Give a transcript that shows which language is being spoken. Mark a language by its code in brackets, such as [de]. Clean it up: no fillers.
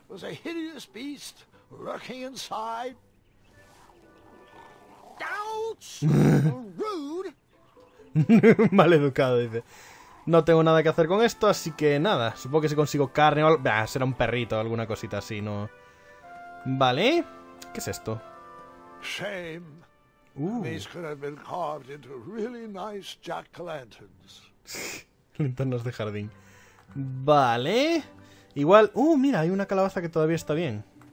[en] Was a hideous beast lurking inside. Ouch! Rude. [es] Mal educado, dice. No tengo nada que hacer con esto, así que nada. Supongo que si consigo carne o algo... será un perrito o alguna cosita así, ¿no? Vale. ¿Qué es esto? [en] Shame. These could have been carved into really nice jack-o'-lanterns. [es] Linternas de jardín. Vale. Igual... mira, hay una calabaza que todavía está bien.